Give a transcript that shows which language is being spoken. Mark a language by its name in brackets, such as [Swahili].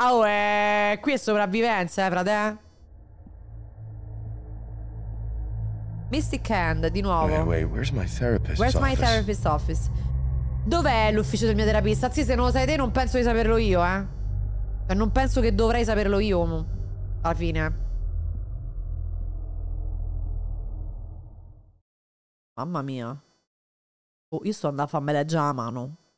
[Italian] Oh, qui è sopravvivenza, frate. Mystic Hand, di nuovo. [English] Where's my therapist's office? [Italian] Dov'è l'ufficio del mio terapista? Sì, se non lo sai te, non penso di saperlo io, eh. Non penso che dovrei saperlo io, alla fine. Mamma mia. Oh, io sto andando a farmi leggere la mano.